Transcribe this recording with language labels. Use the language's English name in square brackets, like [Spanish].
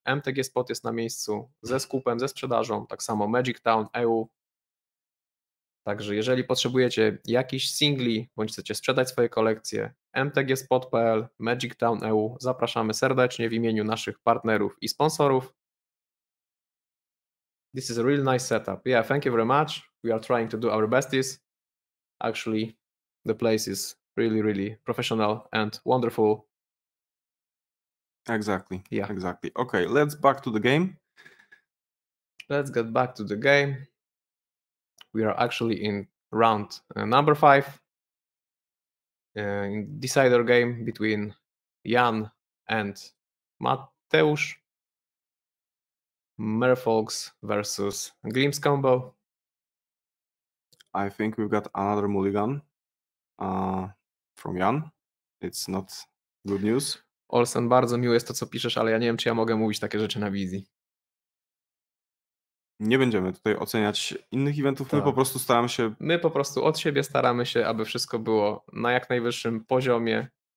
[Polish] MTG Spot jest na miejscu ze skupem, ze sprzedażą. Tak samo Magic Town, EU. Także jeżeli potrzebujecie jakiś singli, bądź chcecie sprzedać swoje kolekcje, mtgspot.pl, Magic Town, EU. Zapraszamy serdecznie w imieniu naszych partnerów i sponsorów. [English] This is a really nice setup. Yeah, thank you very much. We are trying to do our besties. Actually, the place is really, really professional and wonderful. Exactly. Yeah. Exactly. Okay, let's back to the game. Let's get back to the game. We are actually in round number 5. In decider game between Jan and Mateusz. Merfolks versus Glimpse combo. I think we've got another mulligan from Jan. It's not good news. [Polish] Olsen, bardzo miłe jest to, co piszesz, ale ja nie wiem, czy ja mogę mówić takie rzeczy na wizji. nie będziemy tutaj oceniać innych eventów. Tak. My po prostu od siebie staramy się, aby wszystko było na jak najwyższym poziomie.